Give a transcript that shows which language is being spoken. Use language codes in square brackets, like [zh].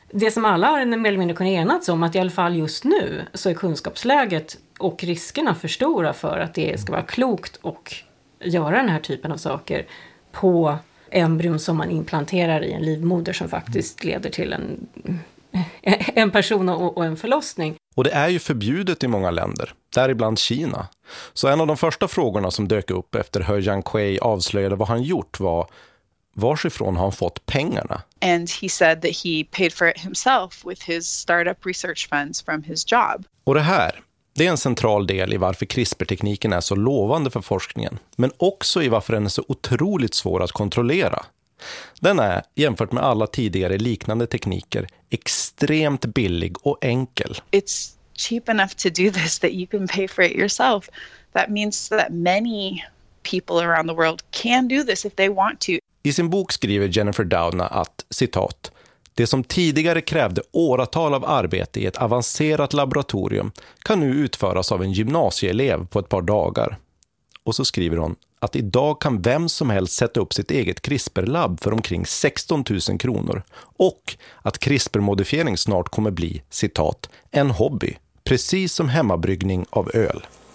[sv] Det som alla har mer eller mindre kunnat enats om att i alla fall just nu så är kunskapsläget och riskerna för stora för att det ska vara klokt och göra den här typen av saker på embryon som man implanterar i en livmoder som faktiskt leder till en person och en förlossning. Och det är ju förbjudet i många länder, däribland Kina. Så en av de första frågorna som dök upp efter He Jiankui avslöjade vad han gjort var: varifrån har han fått pengarna? [en] And he said that he paid for it himself with his startup research funds from his job. [sv] Och det här, det är en central del i varför CRISPR-tekniken är så lovande för forskningen, men också i varför den är så otroligt svår att kontrollera. Den är, jämfört med alla tidigare liknande tekniker, extremt billig och enkel. [en] It's cheap enough to do this that you can pay for it yourself. That means that many people around the world can do this if they want to. [sv] I sin bok skriver Jennifer Doudna att, citat, det som tidigare krävde åratal av arbete i ett avancerat laboratorium kan nu utföras av en gymnasieelev på ett par dagar. Och så skriver hon att idag kan vem som helst sätta upp sitt eget CRISPR-labb för omkring 16 000 kronor och att CRISPR-modifiering snart kommer bli, citat, en hobby, precis som hemmabryggning av öl.